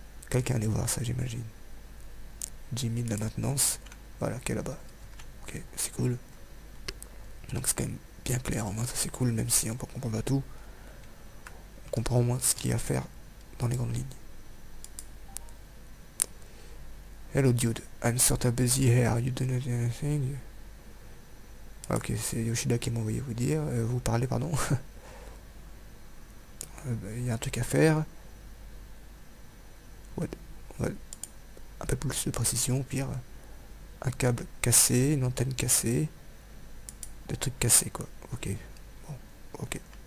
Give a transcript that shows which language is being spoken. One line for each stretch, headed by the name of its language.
French: Quelqu'un allait voir ça, j'imagine. Jimmy de la maintenance. Voilà, qui est là-bas. Ok, c'est cool. Donc c'est quand même bien clair, au moins ça c'est cool, même si on ne comprend pas tout. On comprend au moins ce qu'il y a à faire dans les grandes lignes.
English: Hello dude, I'm sort of busy here, you don't know anything?
French: Ok, c'est Yoshida qui m'a envoyé vous dire, vous parler, pardon. Il y a un truc à faire.
English: What?
French: Un peu plus de précision, au pire. Un câble cassé, une antenne cassée. Des trucs cassés, quoi. Ok. Bon, ok.